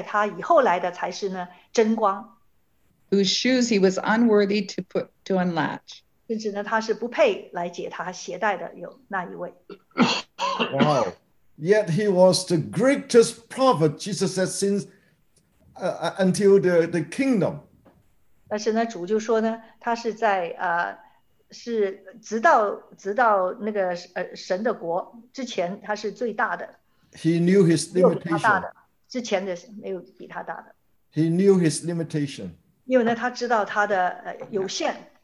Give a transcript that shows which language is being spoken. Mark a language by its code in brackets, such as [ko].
[zh] 将要来的还有呢在他以后来的才是呢真光 [en] whose shoes he was unworthy to put to unlatch. [zh] 甚至呢他是不配来解他鞋带的有那一位 [en] Wow. Yet he was the greatest prophet, Jesus said, since until the kingdom. [zh] 但是呢主就说呢他是在是直到那个神的国之前他是最大的 [en] He knew his limitation. [zh] 之前的没有比他大的。 [en] He knew his limitation. [zh] 因为呢他知道他的有限。